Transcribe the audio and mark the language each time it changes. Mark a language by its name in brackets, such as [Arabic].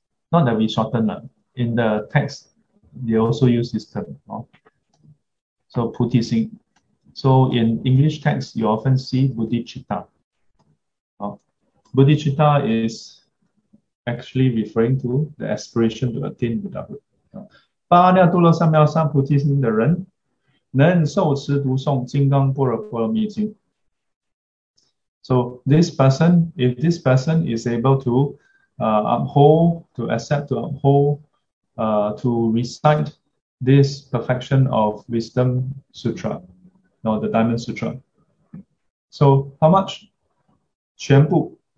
[English] Not that we shorten it. In the text, they also use this term. So, Bodhisattva. So, in English text, you often see Bodhicitta. Bodhicitta is actually referring to the aspiration to attain Buddhahood. [Chinese] 八阿耨多罗三藐三菩提心的人能受持读诵金刚般若波罗蜜经。 [English] So this person, if this person is able to uphold, to accept, to uphold, to recite this perfection of wisdom sutra, or the Diamond Sutra. So how much? 全部.